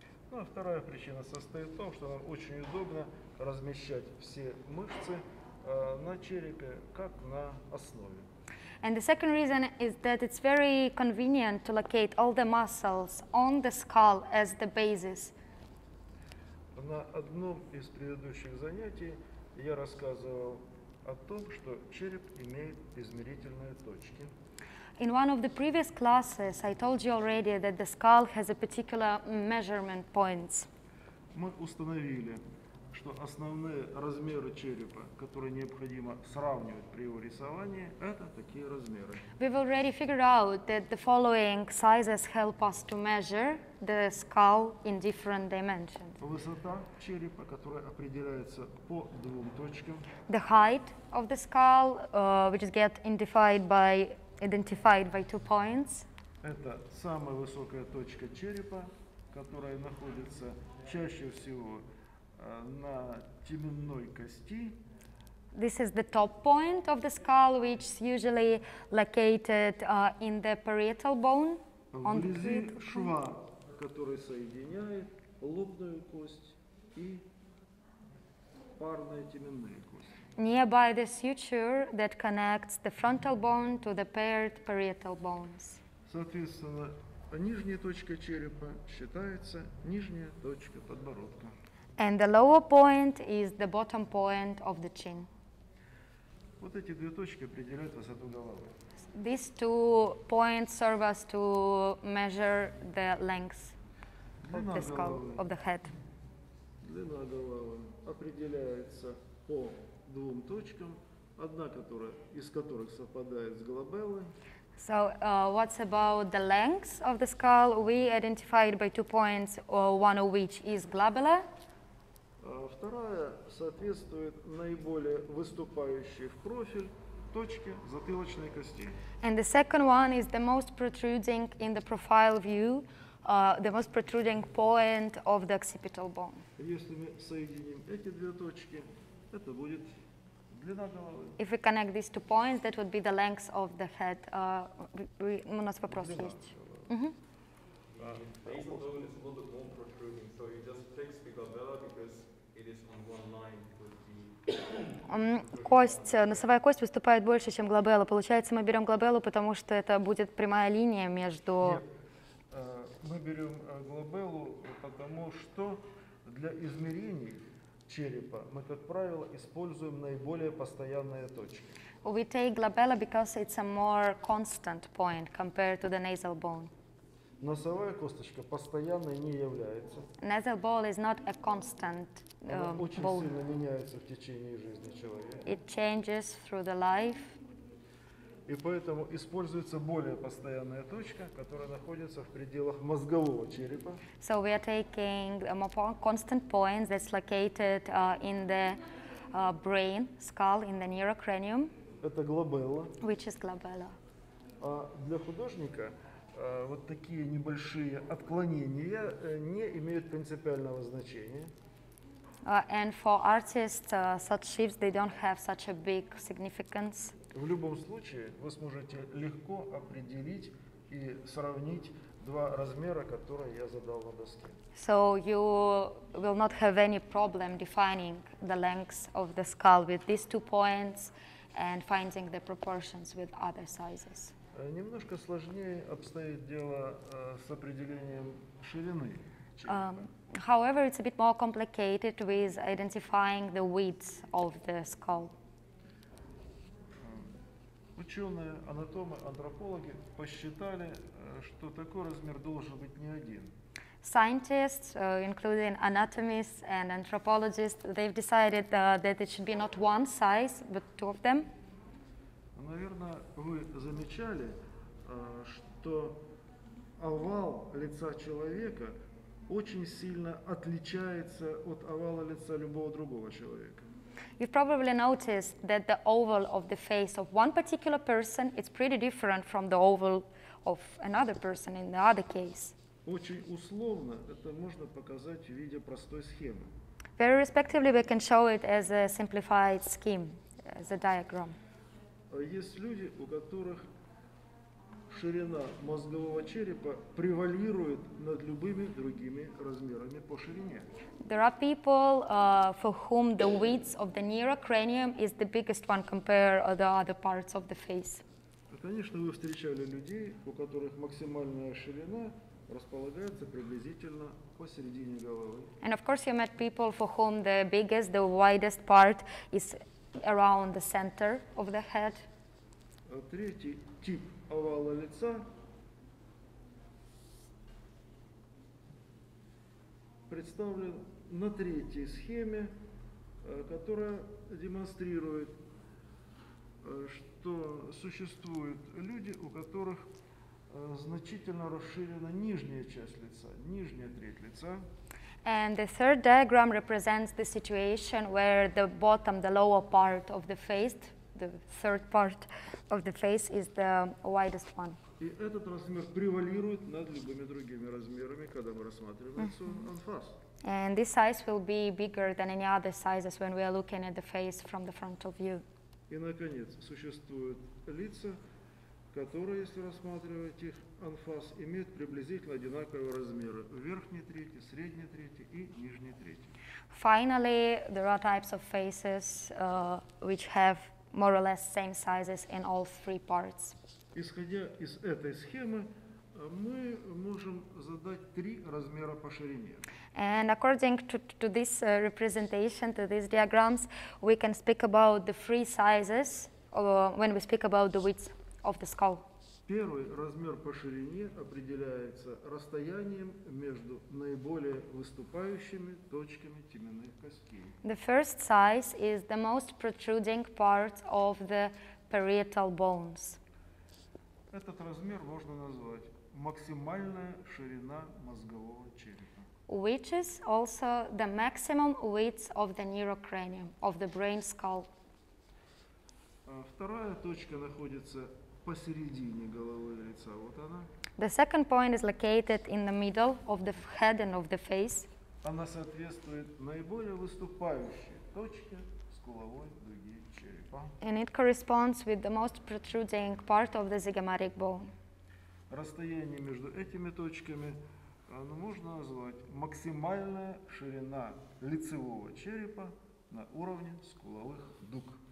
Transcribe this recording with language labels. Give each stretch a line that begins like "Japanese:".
Russian: Ну, а вторая причина состоит в том, что нам очень удобно размещать все мышцы на черепе, как на основе.
English: And the second reason is that it's very convenient to locate all the muscles on the skull as the basis.
Russian: На одном из предыдущих занятий я рассказывал о том, что череп имеет измерительные точки.
English: In one of the previous classes, I told you already that the skull has a particular measurement points.
Russian: Мы установили, что основные размеры черепа, которые необходимо сравнивать при его рисовании, это такие размеры.
English: We've already figured out that the following sizes help us to measure the skull in different dimensions.
Russian: Высота черепа, которая определяется по двум точкам.
English: The height of the skull, which is get identified by identified by two points.
Russian: Это самая высокая точка черепа, которая находится чаще всего на теменной кости,
English: This is the top point of the skull, which is usually located in the parietal bone.
Russian: Вблизи шва, который соединяет лобную кость и парные теменные кости.
English: Nearby the suture that connects the frontal bone to the paired parietal bones.
Russian: Соответственно, нижняя точка черепа считается нижняя точка подбородка.
English: And the lower point is the bottom point of the chin.
Russian: Вот эти две точки определяют высоту головы.
English: These two points serve us to measure the length
Russian: Длина
English: of the skull,
Russian: головы.
English: Of the head.
Russian: Длина головы определяется по двум точкам, одна которая, из которых совпадает с глобелой.
English: So, what's about the length of the skull? We identified by two points, one of which is glabella.
Russian: Вторая соответствует наиболее выступающей в профиль точке затылочной кости.
English: And the second one is the most protruding in the profile view, the most protruding point of the occipital bone.
Russian: Если мы соединим эти две точки, это будет длина головы.
English: If we connect these two points, that would be the length of the head.
Russian: У нас вопрос есть.
English: Basal bone is not the bone protruding, so you just fix the glabella because it is on one line.
Russian: Кость, носовая кость выступает больше, чем глабелла. Получается, мы берем глабеллу, потому что это будет прямая линия между... Мы берем глабеллу, потому что для измерений черепа мы, как правило, используем наиболее постоянные точки.
English: We take glabella because it's a more constant point compared to the nasal bone.
Russian: Носовая косточка постоянной не является.
English: Nasal bone is not a constant bone.
Russian: Очень
English: ball.
Russian: Сильно меняется в течение жизни человека.
English: It changes through the life.
Russian: И поэтому используется более постоянная точка, которая находится в пределах мозгового черепа.
English: So we are taking a more constant point that's located in the brain skull, in the neurocranium.
Russian: Это глабелла.
English: Which is glabella.
Russian: А для художника вот такие небольшие отклонения не имеют принципиального значения.
English: And for artists, such shifts, they don't have such a big significance.
Russian: В любом случае, вы сможете легко определить и сравнить два размера, которые я задал на доске.
English: So you will not have any problem defining the length of the skull with these two points and finding the proportions with other sizes.
Russian: Немножко сложнее обстоит дело с определением ширины черепа.
English: However, it's a bit more complicated with identifying the width of the skull.
Russian: Ученые, анатомы, антропологи посчитали, что такой размер должен быть не один.
English: Scientists, including anatomists and anthropologists, they've decided that it should be not one size, but two of them.
Russian: Наверное, вы замечали, что овал лица человека очень сильно отличается от овала лица любого другого человека.
English: You've probably noticed that the oval of the face of one particular person is pretty different from the oval of another person in the other case.
Russian: Очень условно это можно показать в виде простой схемы.
English: Very respectively, we can show it as a simplified scheme, as a diagram.
Russian: Есть люди, у которых ширина мозгового черепа превалирует над любыми другими размерами по ширине.
English: There are people for whom the width of the neurocranium is the biggest one compared to the other parts of the face.
Russian: Конечно, вы встречали людей, у которых максимальная ширина располагается приблизительно посередине головы.
English: And of course you met people for whom the biggest, the widest part is around the center of the head.
Russian: Третий тип овала лица представлен на третьей схеме, которая демонстрирует, что существуют люди, у которых значительно расширена нижняя часть лица, нижняя треть лица.
English: And the third diagram represents the situation where the bottom, the lower part of the face, the third part of the face is the widest one.
Russian: И этот размер превалирует над любыми другими размерами, когда мы рассматриваем лицо on face.
English: And this size will be bigger than any other sizes when we are looking at the face from the frontal view.
Russian: И, наконец, существуют лица, которые, если рассматривать их on face, имеют приблизительно одинаковые размеры. Верхняя треть, средняя треть и нижняя треть.
English: Finally, there are types of faces which have more or less same sizes in all three parts.
Russian: Исходя из этой схемы, мы можем задать три размера по ширине.
English: And according to this representation, to these diagrams, we can speak about the three sizes when we speak about the width of the skull.
Russian: Первый размер по ширине определяется расстоянием между наиболее выступающими точками теменных костей.
English: The first size is the most protruding part of the parietal bones.
Russian: Этот размер можно назвать максимальная ширина мозгового черепа.
English: Which is also the maximum width of the neurocranium, of the brain skull.
Russian: Вторая точка находится посередине головы и лица. Вот она.
English: The second point is located in the middle of the head and of the face.
Russian: Она соответствует наиболее выступающей точке скуловой дуги черепа.
English: And it corresponds with the most protruding part of the zygomatic bone.
Russian: Расстояние между этими точками можно назвать максимальная ширина лицевого черепа на уровне скуловых дуг.